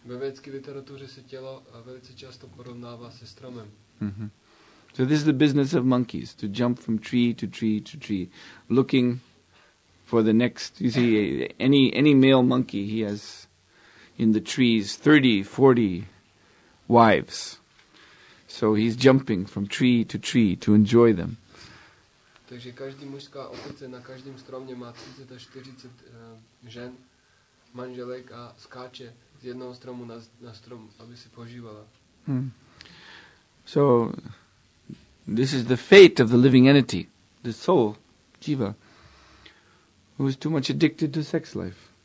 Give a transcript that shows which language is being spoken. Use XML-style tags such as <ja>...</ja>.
<cs>Ve vědecké literatuře se tělo velice často porovnává se stromem.</cs> <en>So this is the business of monkeys, to jump from tree to tree to tree, looking for the next. You see, any male monkey, he has in the trees 30, 40 wives. So he's jumping from tree to tree to enjoy them.</en> <cs>Takže každý mužská opice na každém stromě má 30 až 40 žen, manželek a skáče z jednoho stromu na strom, aby si požívala.</cs> <en>So this is the fate of the living entity, the soul, jiva, who is too much addicted to sex life.</en>